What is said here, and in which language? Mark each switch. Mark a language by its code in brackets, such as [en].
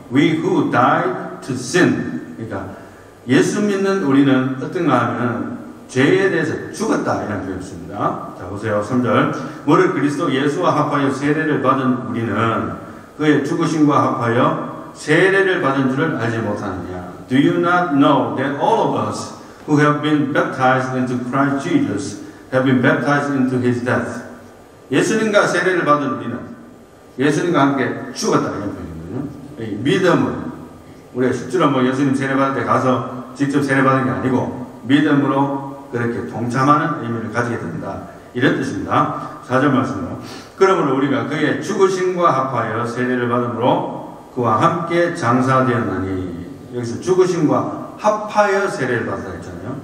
[en] We who died to sin. [ko] 그러니까 예수 믿는 우리는 어떤가 하면 죄에 대해서 죽었다 이런 표현입니다. 자 보세요. 3절 우리를 그리스도 예수와 합하여 세례를 받은 우리는 그의 죽으심과 합하여 세례를 받은 줄을 알지 못하느냐. [en] Do you not know that all of us who have been baptized into Christ Jesus have been baptized into his death? [ko] 예수님과 세례를 받은 우리는 예수님과 함께 죽었다 이런 표현이거든요. 믿음으로 우리가 실제로 뭐 예수님 세례받을 때 가서 직접 세례받은 게 아니고 믿음으로 그렇게 동참하는 의미를 가지게 됩니다. 이런 뜻입니다. 4절 말씀으로 그러므로 우리가 그의 죽으심과 합하여 세례를 받음으로 그와 함께 장사되었나니 여기서 죽으심과 합하여 세례를 받았다 했잖아요.